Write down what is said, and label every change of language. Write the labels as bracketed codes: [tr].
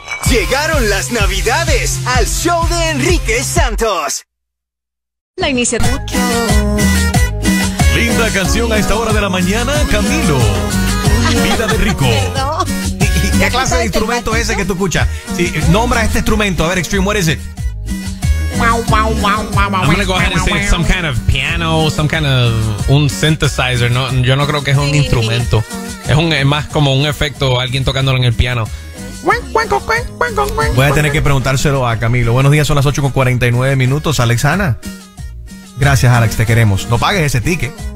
[es] Llegaron las Navidades al show de Enrique Santos. La iniciativa. Linda canción a esta hora de la mañana, Camilo. Vida de rico. ¿Qué clase de instrumento es ese que tú escuchas? Sí, nombra este instrumento. A ver, Extreme, [en] what is it? I'm gonna go ahead and say it's some kind of piano, some kind of un synthesizer. [es] No, yo no creo que es un instrumento. Es más como un efecto, alguien tocándolo en el piano. Voy a tener que preguntárselo a Camilo. Buenos días, son las 8:49, Alexana. Gracias, Alex, te queremos. No pagues ese ticket.